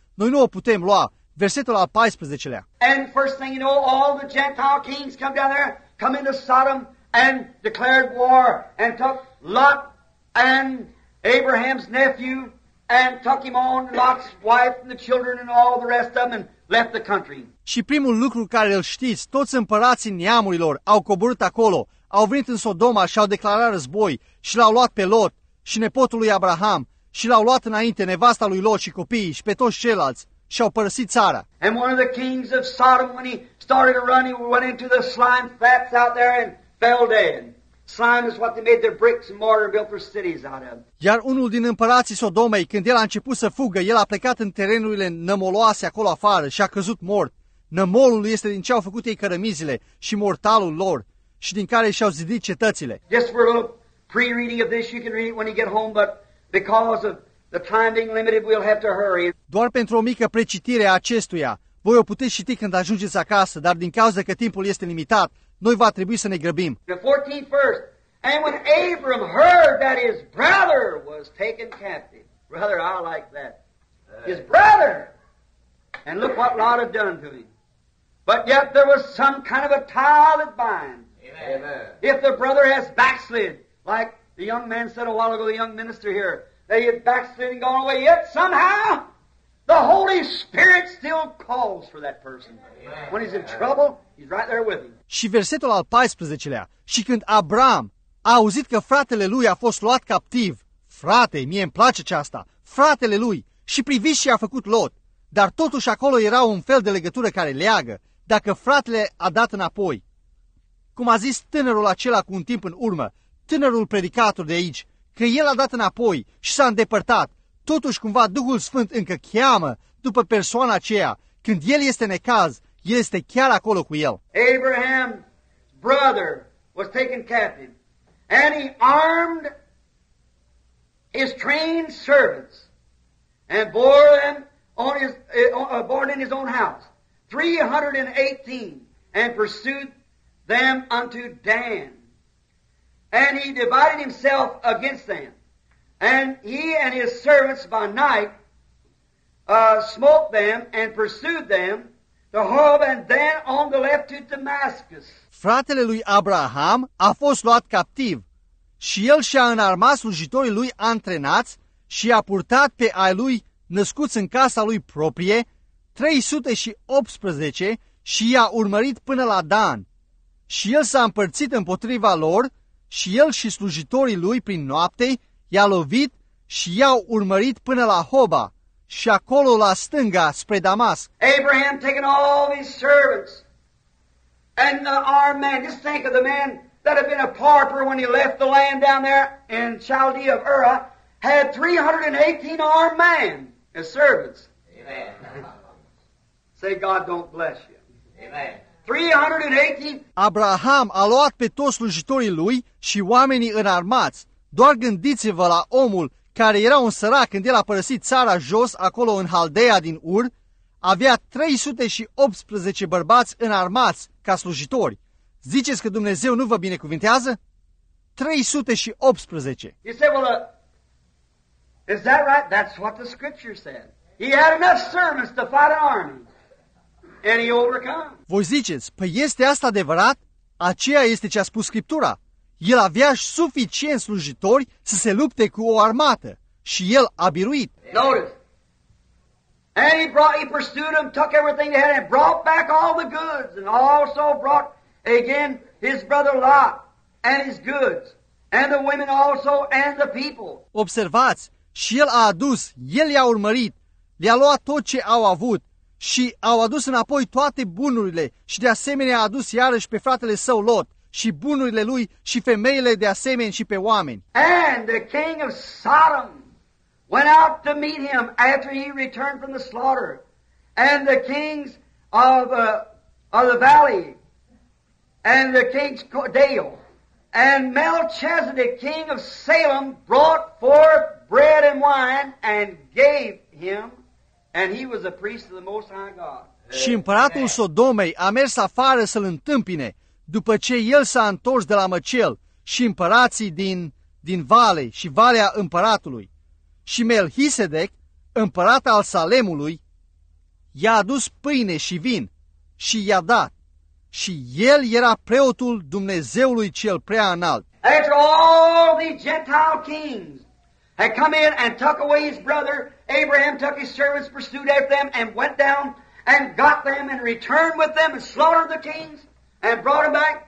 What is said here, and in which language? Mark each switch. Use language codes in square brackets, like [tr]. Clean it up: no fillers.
[ro] Noi nu o putem lua. Versetul al 14-lea. [en] And first thing you know, all the Gentile kings come down there, come into Sodom and declared war and took Lot and Abraham's nephew and took him on, Lot's wife and the children and all the rest of them and left the country. [ro] Și primul lucru care îl știți, toți împărații neamurilor au coborât acolo, au venit în Sodoma și au declarat război și l-au luat pe Lot și nepotul lui Abraham și l-au luat înainte nevasta lui Lot și copiii și pe toți ceilalți și au părăsit țara. [en] And one of the kings of Sodom, when he started to run, he went into the slime vats out there and fell dead. Slime is what they made their bricks and mortar and built their cities out of. [ro] Iar unul din împărații Sodomei, când el a început să fugă, el a plecat în terenurile nămoloase acolo afară și a căzut mort. Nămolul este din ce au făcut ei cărămizile și mortalul lor și din care și-au zidit cetățile. [en] Just for a little pre-reading of this, you can read it when you get home, but because of the time being limited, we'll have to hurry. [ro] Doar pentru o mică precitire a acestuia, voi o puteți citi când ajungeți acasă, dar din cauza că timpul este limitat, noi va trebui să ne grăbim. [en] The 14th verse, and when Abram heard that his brother was taken captive, brother, I like that, his brother. And look what Lot had done to him. But yet there was some kind of a tie that binds. Amen. If the brother has backslid, like the young man said a while ago, the young minister here, that he had backslid and gone away, yet somehow the Holy Spirit still calls for that person. Amen. When he's in trouble, he's right there with him. [ro] Și versetul al 14-lea. Și când Abram a auzit că fratele lui a fost luat captiv, frate, mie îmi place aceasta, fratele lui, și priviți ce a făcut Lot, dar totuși acolo era un fel de legătură care leagă, dacă fratele a dat înapoi. Cum a zis tânărul acela cu un timp în urmă, tânărul predicator de aici, că el a dat înapoi și s-a îndepărtat, totuși cumva Duhul Sfânt încă cheamă după persoana aceea. Când el este necaz, el este chiar acolo cu el. [en] Abraham's brother was taken captive and he armed his trained servants and bore them on his born in his own house 318 and pursued them unto Dan, and he divided himself against them, and he and his servants by night smote them and pursued them to Hob, and then on the left to Damascus. [ro] Fratele lui Abraham a fost luat captiv și el și-a înarmat slujitorii lui antrenați și a purtat pe ai lui născuți în casa lui proprie, 318, și i-a urmărit până la Dan. Și el s-a împărțit împotriva lor, și el și slujitorii lui prin noapte i-a lovit și i-au urmărit până la Hoba, și acolo la stânga spre Damasc. [en] Abraham taken all his servants and the armed man, just think of the man that had been a pauper when he left the land down there in Chaldea of Ur, had 318 armed men. His servants. Amen. Say, God don't bless you. Amen. 318. [ro] Abraham a luat pe toți slujitorii lui și oamenii înarmați. Doar gândiți-vă la omul care era un sărac când el a părăsit țara jos acolo în Haldea din Ur. Avea 318 bărbați înarmați ca slujitori. Ziceți că Dumnezeu nu vă binecuvintează? 318. [en] You say, well, is that right? That's what the scripture said. He had enough servants to fight an army, and he overcome. [ro] Voi ziceți, păi este asta adevărat? Aceea este ce a spus Scriptura. El avea suficient slujitori să se lupte cu o armată, și el a biruit. [en] Notice. And he pursued them, took everything they had, and brought back all the goods, and also brought again his brother Lot and his goods, and the women also, and the people. [ro] Observați. Și el a adus, el i-a urmărit, le-a luat tot ce au avut și au adus înapoi toate bunurile și de asemenea a adus iarăși pe fratele său Lot și bunurile lui și femeile de asemenea și pe oameni. [en] And the king of Sodom went out to meet him after he returned from the slaughter. And the kings of the valley and the kings Dale And Melchizedek, king of Salem, brought forth bread and wine and gave him, and he was a priest of the Most High God. [ro] Și împăratul Sodomei a mers afară să-l întâmpine, după ce el s-a întors de la măcel și împărații din vale și valea împăratului. Și Melchisedec, împărat al Salemului, i-a adus pâine și vin și i-a dat. Și el era preotul Dumnezeului cel prea înalt. [en] After all the Gentile kings had come in and took away his brother, Abraham took his servants, pursued after them, and went down and got them and returned with them and slaughtered the kings and brought them back.